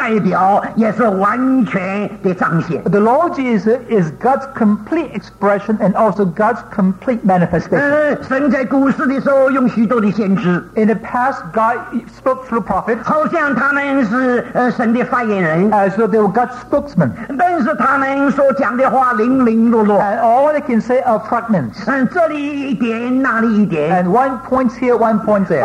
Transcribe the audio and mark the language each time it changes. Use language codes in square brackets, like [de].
[zh] 我们的主是神完全的代表，也是完全的彰显。 [en] The Lord Jesus is God's complete expression and also God's complete manifestation. [zh] 神在故事的时候用许多的先知。 [en] In the past, God spoke through prophets. [zh] 好像他们是, 神的发言人。 [en] As though they were God's spokesman. [zh] 但是他们所讲的话, [en] and all they can say are fragments. [zh] 这里一点, [en] and one point here, one point there.